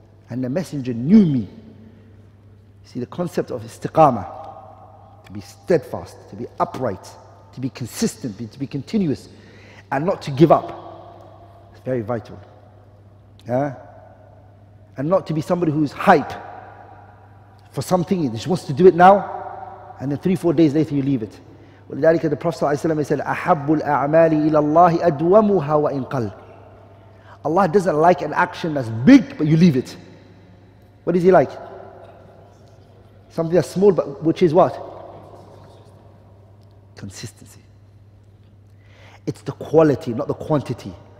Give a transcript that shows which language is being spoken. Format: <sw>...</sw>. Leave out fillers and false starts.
<en>And the Messenger knew me. See the concept of istiqamah, to be steadfast, to be upright, to be consistent, to be continuous, and not to give up. It's very vital. Yeah? And not to be somebody who's hype for something, he just wants to do it now, and then 3-4 days later you leave it.</en> <ar>ولذلك</ar> <en>the Prophet ﷺ said,</en> <ar>أَحَبُّ الْأَعْمَالِ إِلَى اللَّهِ أَدْوَمُهَا وَإِنْ قَلْ.</ar> <en>Allah doesn't like an action that's big, but you leave it. What does He like? Something that's small, but which is what? Consistency. It's the quality, not the quantity.</en>